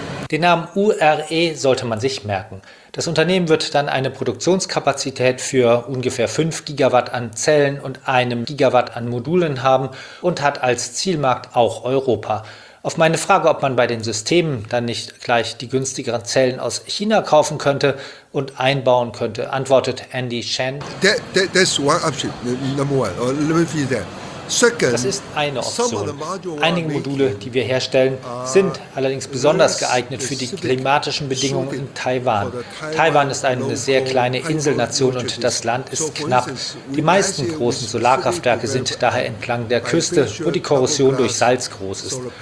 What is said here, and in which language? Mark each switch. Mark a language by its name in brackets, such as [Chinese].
[German] Den Namen URE sollte man sich merken. Das Unternehmen wird dann eine Produktionskapazität für ungefähr 5 Gigawatt an Zellen und 1 Gigawatt an Modulen haben und hat als Zielmarkt auch Europa. Auf meine Frage, ob man bei den Systemen dann nicht gleich die günstigeren Zellen aus China kaufen könnte und einbauen könnte, antwortet Andy Shen. [English] That's one option, number one. Let me finish that. [German] Das ist eine Option. Einige Module, die wir herstellen, sind allerdings besonders geeignet für die klimatischen Bedingungen in Taiwan. Taiwan ist eine sehr kleine Inselnation und das Land ist knapp. Die meisten großen Solarkraftwerke sind daher entlang der Küste, wo die Korrosion durch Salz groß ist.